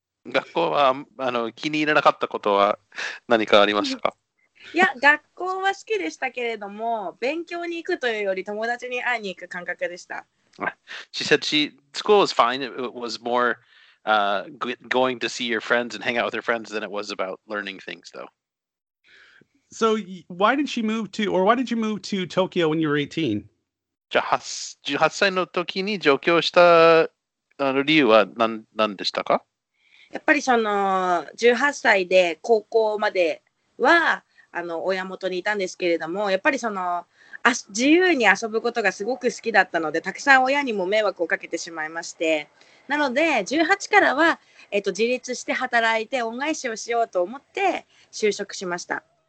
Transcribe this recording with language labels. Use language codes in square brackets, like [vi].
[ja] 学校は気に入らなかったことは何かありましたか？いや、学校は好きでしたけれども、勉強に行くというより友達に会いに行く感覚でした。 [en] She said school was fine. It was more going to see your friends and hang out with your friends than it was about learning things, though. So why did she move to, or why did you move to Tokyo when you were 18? [ja] 18歳の時に上京した理由は何でしたか？やっぱりその18歳で高校までは親元にいたんですけれども、やっぱりその自由に遊ぶことがすごく好きだったので、たくさん親にも迷惑をかけてしまいまして、なので18からは自立して働いて恩返しをしようと思って就職しました。